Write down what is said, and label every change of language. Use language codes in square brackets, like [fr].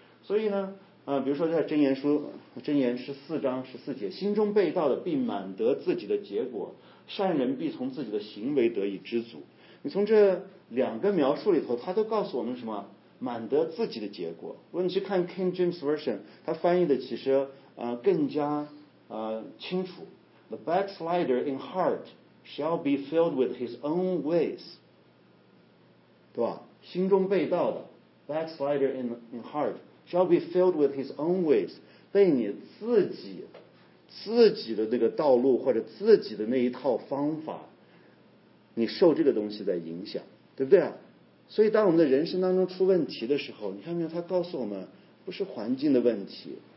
[zh] 所以呢，比如说在箴言14:14，心中被盗的必满得自己的结果，善人必从自己的行为得以知足。你从这两个描述里头，他都告诉我们什么？满得自己的结果。如果你去看 King James Version， 它翻译的其实更加清楚。 [en] The backslider in heart shall be filled with his own ways， [zh] 对吧？心中被盗的 [en] backslider in heart shall be filled with his own ways， [zh] 被你自己的那个道路或者自己的那一套方法，你受这个东西在影响，对不对啊？所以当我们的人生当中出问题的时候，你看没有，他告诉我们不是环境的问题。